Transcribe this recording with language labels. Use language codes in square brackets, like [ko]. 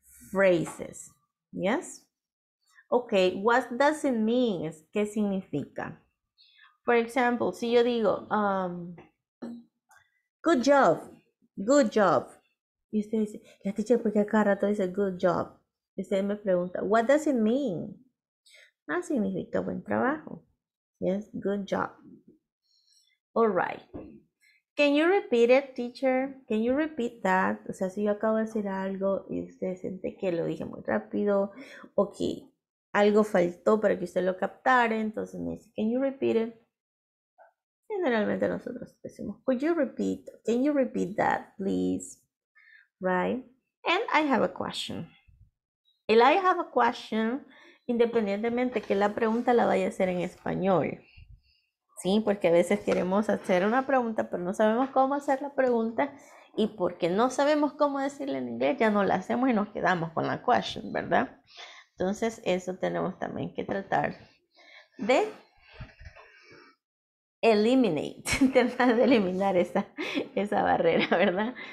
[en] Phrases. Yes? Ok, what does it mean? [es] ¿Qué significa? [en] For example, [es] si yo digo, [en] good job, good job. [es] Y usted dice, la teacher, ¿por qué cada rato dice [en] good job? [es] Y usted me pregunta, [en] what does it mean? Ah, [es] significa buen trabajo. [en] Yes, good job. All right. Can you repeat it, teacher? Can you repeat that? [es] O sea, si yo acabo de decir algo y usted siente que lo dije muy rápido o que algo faltó para que usted lo captara, entonces me dice, [en] can you repeat it? [es] Generalmente nosotros decimos, [en] could you repeat? Can you repeat that, please? Right? And I have a question. And I have a question [es] independientemente que la pregunta la vaya a hacer en español. Sí, porque a veces queremos hacer una pregunta, pero no sabemos cómo hacer la pregunta. Y porque no sabemos cómo decirla en inglés, ya no la hacemos y nos quedamos con la question, ¿verdad? Entonces, eso tenemos también que tratar de eliminate, tratar de eliminar esa barrera, ¿verdad?